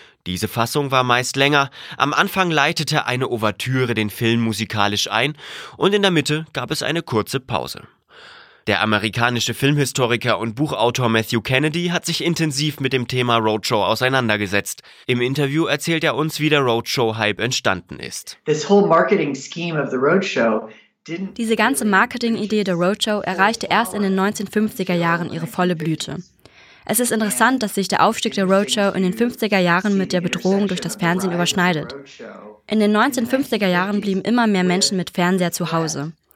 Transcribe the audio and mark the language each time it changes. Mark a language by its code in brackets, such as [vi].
[de] Diese Fassung war meist länger, am Anfang leitete eine Ouvertüre den Film musikalisch ein und in der Mitte gab es eine kurze Pause. Der amerikanische Filmhistoriker und Buchautor Matthew Kennedy hat sich intensiv mit dem Thema Roadshow auseinandergesetzt. Im Interview erzählt er uns, wie der Roadshow-Hype entstanden ist. [en] This whole marketing scheme of the Roadshow. [de] Diese ganze Marketing-Idee der Roadshow erreichte erst in den 1950er Jahren ihre volle Blüte. Es ist interessant, dass sich der Aufstieg der Roadshow in den 50er Jahren mit der Bedrohung durch das Fernsehen überschneidet. In den 1950er Jahren blieben immer mehr Menschen mit Fernseher zu Hause.